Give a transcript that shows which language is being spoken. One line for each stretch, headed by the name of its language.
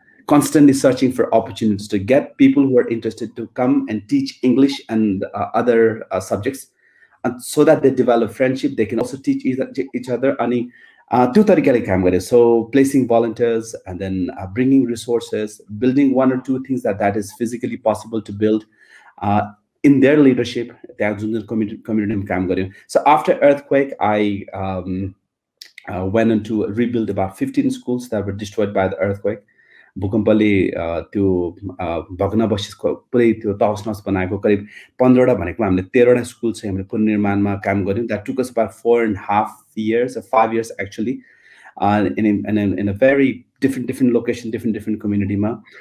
English: constantly searching for opportunities to get people who are interested to come and teach English and other subjects and so that they develop friendship they can also teach each other
Nepali: ani two tarikale kaam gare
English: so placing volunteers and then bringing resources building one or two things that is physically possible to build in their leadership, they have done community
Nepali: काम गरियो.
English: So after earthquake, I went on to rebuild about 15 schools that were destroyed by the earthquake.
Nepali: भूकम्पले त्यो भग्ना बसिसको पुरै त्यो तहस नहस बनाएको करिब 15 भनेको हामीले 13 स्कुल चाहिँ हामीले पुननिर्माणमा काम गऱ्यौँ.
English: That took us about 4.5 years 5 years actually in a very different location different कम्युनिटीमा.